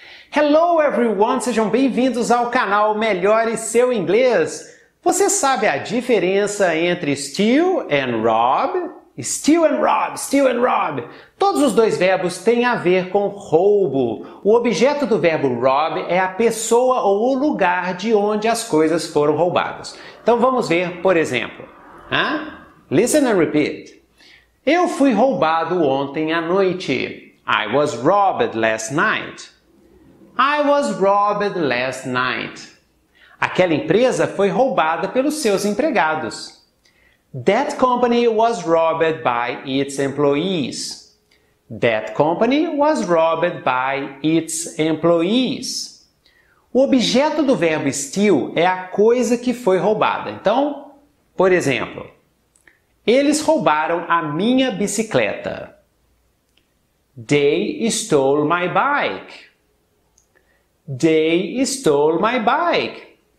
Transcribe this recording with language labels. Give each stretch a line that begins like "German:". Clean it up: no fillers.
English: Hello everyone,
Portuguese: sejam bem-vindos ao canal Melhore Seu Inglês. Você sabe a diferença entre steal and rob?
English: Steal and rob, steal and rob.
Portuguese: Todos os dois verbos têm a ver com roubo. O objeto do verbo rob é a pessoa ou o lugar de onde as coisas foram roubadas. Então vamos ver, por exemplo.
English: Listen and repeat.
Portuguese: Eu fui roubado ontem à noite.
English: I was robbed last night. I was robbed last night.
Portuguese: Aquela empresa foi roubada pelos seus empregados.
English: That company was robbed by its employees. That company was robbed by its employees.
Portuguese: O objeto do verbo steal é a coisa que foi roubada. Então, por exemplo, eles roubaram a minha bicicleta.
English: They stole my bike. They stole my bike.